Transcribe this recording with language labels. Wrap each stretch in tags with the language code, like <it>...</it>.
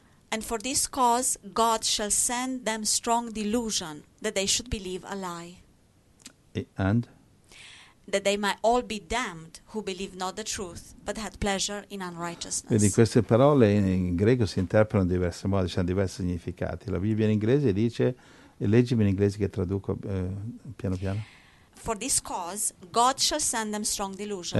<en>And for this cause God shall send them strong delusion that they should believe a lie. And? that they might all be damned who believe not the truth, but had pleasure in unrighteousness.</en> <it>Quindi queste parole in greco si interpretano in diversi modi, hanno diversi significati. La Bibbia in inglese dice, leggimi in inglese che traduco piano piano.</it> <en>For this cause, God shall send them strong delusion.</en>